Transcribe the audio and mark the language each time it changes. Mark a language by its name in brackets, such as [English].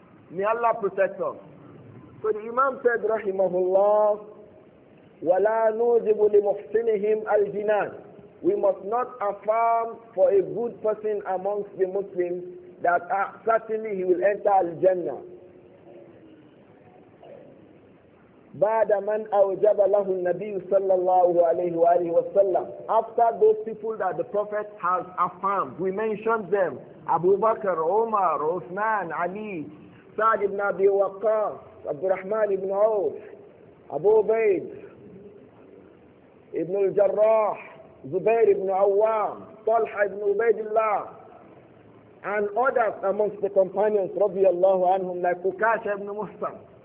[English] May Allah protect us. So the Imam said, Rahimahullah, [Arabic] وَلَا نُوْزِبُ لِمُحْسِنِهِمْ الْجِنَانِ. [English] We must not affirm for a good person amongst the Muslims that certainly he will enter Al-Jannah. [Arabic] بعد من أوجب له النبي صلى الله عليه وآله وسلم. [English] After those people that the Prophet has affirmed, we mentioned them, Abu Bakr, Umar, Uthman, Ali, Sa'd ibn Abi Waqqas, Abdurrahman ibn Auf, Abu Ubaid, Ibn al-Jarrah, Zubair ibn Awam, Talha ibn Ubaidillah, and others amongst the companions, radiyallahu anhum, like Ukasha ibn Muhsam.